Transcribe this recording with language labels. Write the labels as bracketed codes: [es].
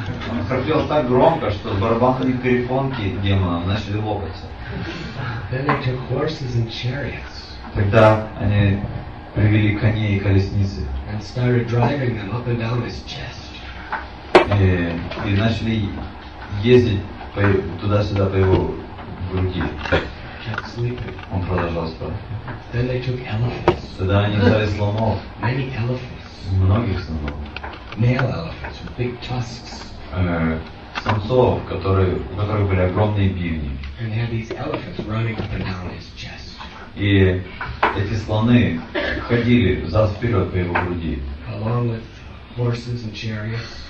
[ru] Он храпел так громко, что барабанные перепонки демона начали лопаться. [en] Then they took horses and chariots. [ru] Тогда они привели коней и колесницы. [en] And started driving them up and down his chest. [ru] И начали ездить туда-сюда по его груди. [en] Kept sleeping. [ru] Он продолжал спать. [en] Then they took elephants. [ru] Тогда они взяли слонов. [en] Many elephants. [ru] Многих слонов. [en] Male elephants with big tusks. [ru] Самцов, у которых были огромные бивни. [en] And had these elephants running up and down his chest. [ru] И эти слоны ходили взад-вперед по его груди. [en] Along with horses and chariots.